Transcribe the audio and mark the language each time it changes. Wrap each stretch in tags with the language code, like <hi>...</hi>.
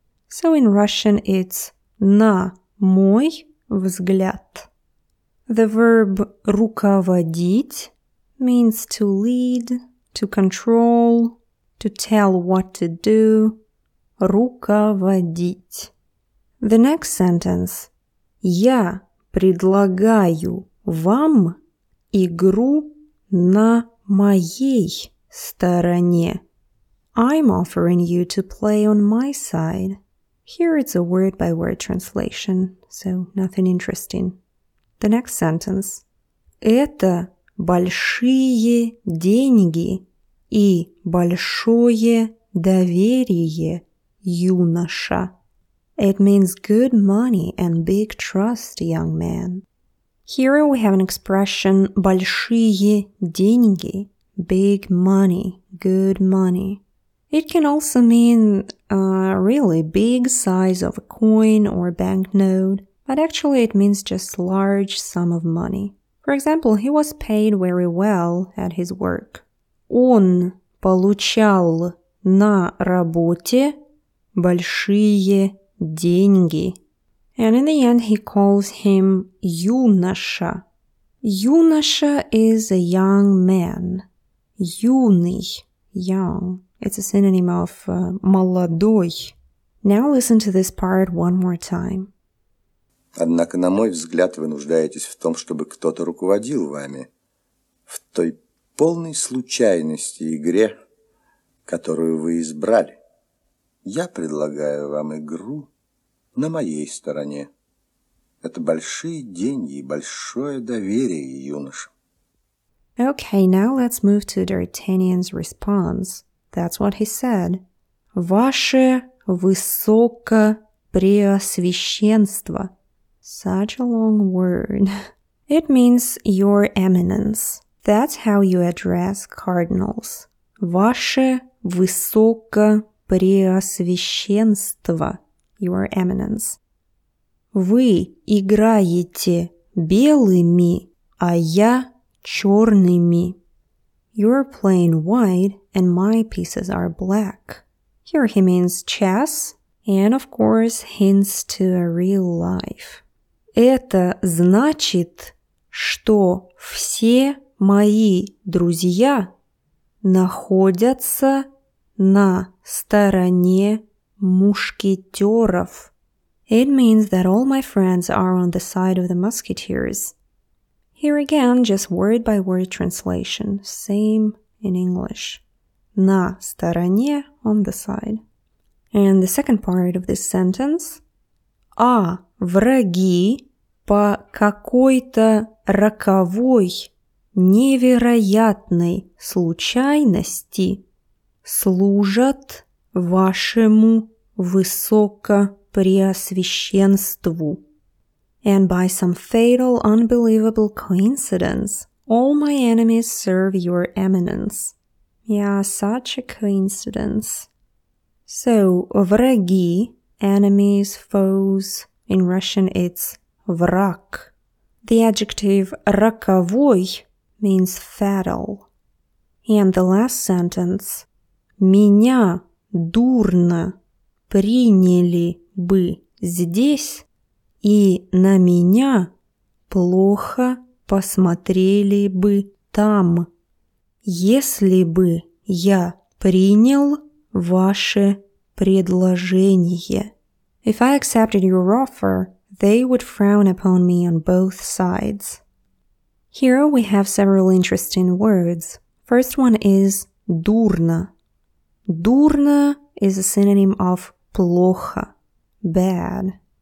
<en>So in Russian it's</en> <ru>на мой взгляд.</ru> <en>The verb руководить means to lead, to control, to tell what to do. Руководить. The next sentence.</en> <ru>Я предлагаю вам игру на моей стороне.</ru> <en>I'm offering you to play on my side. Here it's a word-by-word translation, so nothing interesting. The next sentence.</en> <ru>Это большие деньги и большое доверие, юноша.</ru> <en>It means good money and big trust, young man. Here we have an expression</en> <ru>большие деньги,</ru> <en>big money, good money. It can also mean a really big size of a coin or banknote, but actually it means just large sum of money. For example, he was paid very well at his work.</en> <ru>Он получал на работе большие деньги.</ru> <en>And in the end, he calls him юноша. Юноша is a young man. Юный, young. It's a synonym of молодой. Now listen to this part one more time.</en> <ru>Однако, на мой взгляд, вы нуждаетесь в том, чтобы кто-то руководил вами в той полной случайности игре, которую вы избрали. Я предлагаю вам игру на моей стороне. Это большие деньги и большое доверие, юноша.</ru> <en>Okay, now let's move to D'Artagnan's response. That's what he said.</en> <ru>Ваше Высокопреосвященство.</ru> <en>Such a long word. It means Your Eminence. That's how you address cardinals.</en> <ru>Ваше Высокопреосвященство.</ru> <en>Your Eminence.</en> <ru>Вы играете белыми, а я черными.</ru> <en>You're playing white and my pieces are black. Here he means chess and, of course, hints to a real life.</en> <ru>Это значит, что все мои друзья находятся на стороне мушкетеров.</ru> <en>It means that all my friends are on the side of the musketeers. Here again, just word-by-word translation, same in English.</en> <ru>На стороне,</ru> <en>on the side. And the second part of this sentence.</en> <ru>А враги по какой-то роковой, невероятной случайности служат вашему высокопреосвященству.</ru> <en>And by some fatal, unbelievable coincidence, all my enemies serve your eminence. Yeah, such a coincidence. So, враги, enemies, foes, in Russian it's враг. The adjective роковой means fatal. And the last sentence.</en> <ru>Меня дурно приняли бы здесь, и на меня плохо посмотрели бы там, если бы я принял ваше предложение.</ru> <en>If I accepted your offer, they would frown upon me on both sides. Here we have several interesting words. First one is дурно. Дурно is a synonym of плохо, bad.</en>